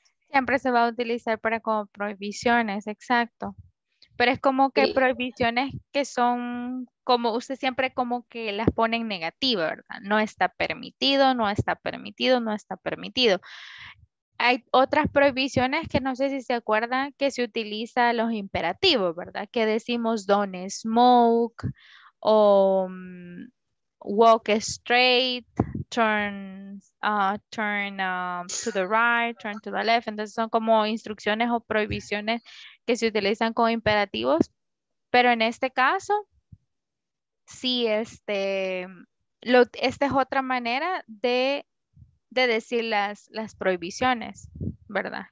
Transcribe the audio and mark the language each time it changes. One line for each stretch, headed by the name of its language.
Spanish: Siempre se va a utilizar para como prohibiciones, exacto. Pero es como que sí. Prohibiciones que son como usted siempre como que las pone en negativa, ¿verdad? No está permitido, no está permitido, no está permitido. Hay otras prohibiciones que no sé si se acuerdan que se utiliza los imperativos, ¿verdad? Que decimos
English: don't smoke
Spanish: o
English: walk straight, turn to the right, turn to the left.
Spanish: Entonces son como instrucciones o prohibiciones que se utilizan como imperativos. Pero en este caso, sí, esta es otra manera de decir las prohibiciones, ¿verdad?